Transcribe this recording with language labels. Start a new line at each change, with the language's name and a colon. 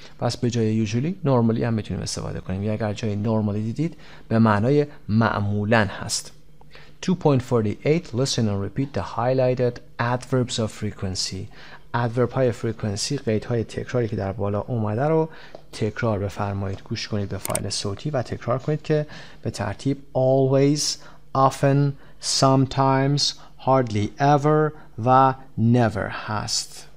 Persian: پس به جای usually normally هم میتونیم استفاده کنیم. یا اگر جای normally دیدید به معنای معمولا هست.
English: 2.48 listen and repeat the highlighted adverbs of frequency.
Persian: Adverb های frequency قید های تکراری که در بالا اومده رو تکرار بفرمایید. گوش کنید به فایل صوتی و تکرار کنید که به ترتیب always, often, sometimes, hardly ever و never هست.